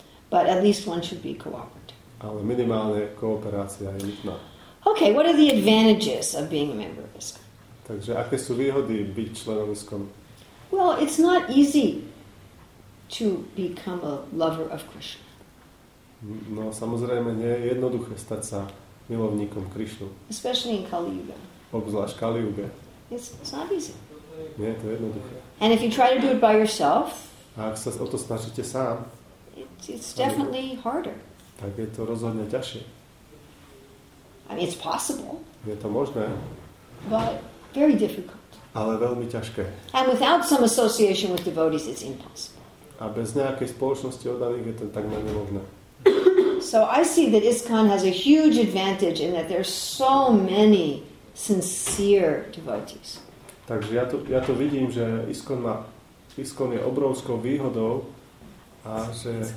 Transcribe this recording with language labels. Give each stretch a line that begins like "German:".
English: But at least one should be cooperative.
Slovak: Ale minimálne kooperácia je nutná.
English: Okay, what are the advantages of being a member of ISKCON?
Slovak: Takže aké sú výhody byť členom ISKCON?
English: Well, it's not easy to become a lover of Krishna.
Slovak: No, samozrejme, nie je jednoduché stať sa milovníkom Krišnu.
English: Especially in Kali Yuga.
Slovak: Obzvlášť Kali Yuga.
English: It's not easy.
Slovak: Nie je to jednoduché.
English: And if you try to do it by yourself,
Slovak: a ak sa o to snažíte sám,
English: it's definitely harder.
Slovak: Tak je to rozhodne ťažšie.
English: I mean, it's possible.
Slovak: Je to možné.
English: But very difficult.
Slovak: Ale veľmi ťažké.
English: And without some association with devotees, it's impossible.
Slovak: A bez nejakej spoločnosti oddaných je to takmer nemožné.
English: So I see that ISKCON has a huge advantage in that there are so many sincere devotees.
Slovak: Takže ja to vidím, že ISKCON má, ISKCON je obrovskou výhodou a že...